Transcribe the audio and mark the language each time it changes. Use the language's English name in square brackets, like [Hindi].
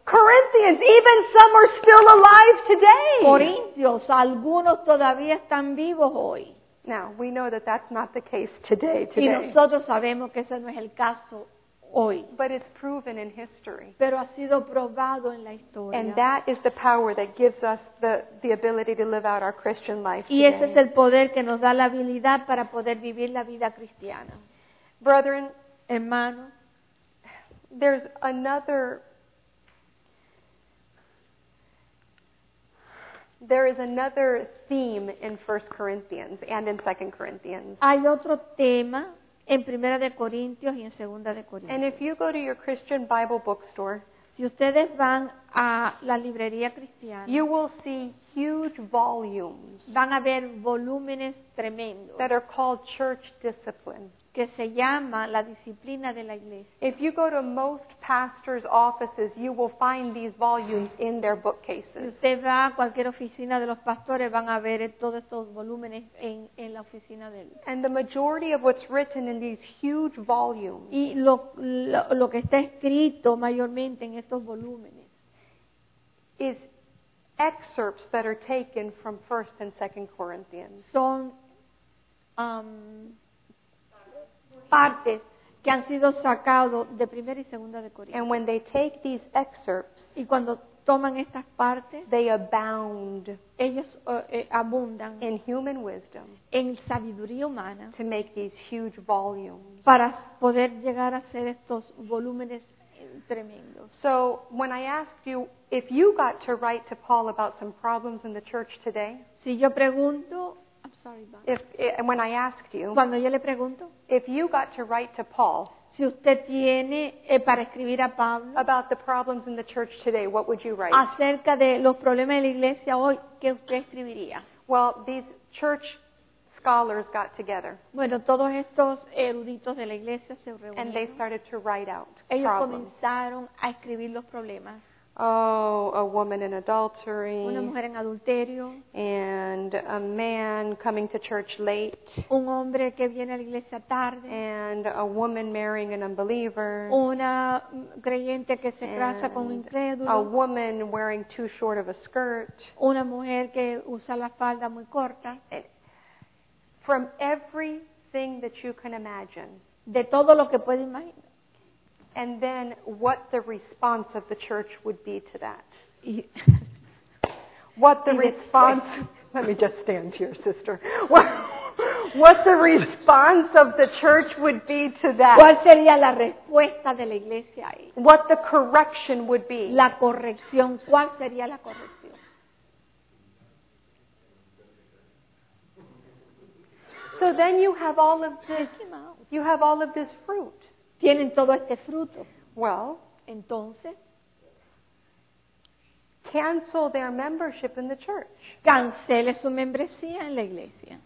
[English] Corinthians, even some are still alive today. [Spanish] Corintios, algunos todavía están vivos hoy. [English] Now, we know that that's not the case today. [Spanish] Y nosotros sabemos que ese no es el caso hoy. [English] But it's proven in history. [Spanish] Pero ha sido probado en la historia. [English] And that is the power that gives us the ability to live out our Christian life today. [Spanish] Y ese es el poder que nos da la habilidad para poder vivir la vida cristiana. [English] Brethren, [Spanish] hermanos, [English] there's another... There is another theme in 1 Corinthians and in 2 Corinthians. [Spanish] Hay otro tema en Primera de Corintios y en Segunda de Corintios. [English] And if you go to your Christian Bible bookstore, [Spanish] si ustedes van a la librería cristiana, [English] you will see huge volumes. [Spanish] Van a ver volúmenes tremendos. [English] That are called church discipline. [Spanish] que se llama la disciplina de la iglesia. [English] If you go to most pastors' offices, you will find these volumes in their bookcases. [Spanish] Si usted va a cualquier oficina de los pastores, van a ver todos estos volúmenes en la oficina de ellos. [English] And the majority of what's written in these huge volumes. [Spanish] Y lo que está escrito mayormente en estos volúmenes [English] is excerpts that are taken from 1st and 2nd Corinthians. [Spanish] Son partes que han sido sacados de primera y segunda de Corintios. [English] And when they take these excerpts, [Spanish] y cuando toman estas partes, [English] they abound, [Spanish] ellos abundan [English] in human wisdom, [Spanish] en sabiduría humana, [English] to make these huge volumes, [Spanish] para poder llegar a hacer estos volúmenes tremendos. [English] So when I asked you if you got to write to Paul about some problems in the church today, [Spanish] si yo pregunto, [English] When I asked you, [Spanish] cuando yo le pregunto, [English] if you got to write to Paul, [Spanish] si usted tiene para escribir a Pablo, [English] about the problems in the church today, what would you write? [Spanish] Acerca de los problemas de la iglesia hoy, ¿qué usted escribiría? [English] Well, these church scholars got together. [Spanish] Bueno, todos estos eruditos de la iglesia se reunieron. [English] And they started to write out [Spanish] ellos [English] problems. [Spanish] Comenzaron a escribir los problemas. [English] Oh, a woman in adultery. [Spanish] Una mujer en adulterio. [English] And a man coming to church late. [Spanish] Un hombre que viene a la iglesia tarde. [English] And a woman marrying an unbeliever. [Spanish] Una creyente que se casa con un incrédulo. [English] A woman wearing too short of a skirt. [Spanish] Una mujer que usa la falda muy corta. [English] From everything that you can imagine. [Spanish] De todo lo que puede imaginar. [English] And then what the response of the church would be to that. What the response... Let me just stand here, sister. What the response of the church would be to that. [Spanish] ¿Cuál sería la respuesta de la iglesia ahí? [English] What the correction would be. [Spanish] La corrección. ¿Cuál sería la corrección? [English] So then you have all of this... You have all of this fruit. [Spanish] Tienen todo este fruto. [English] Well, [Spanish] entonces, [English] cancel their membership in the church. [Spanish] Cancele su membresía en la iglesia.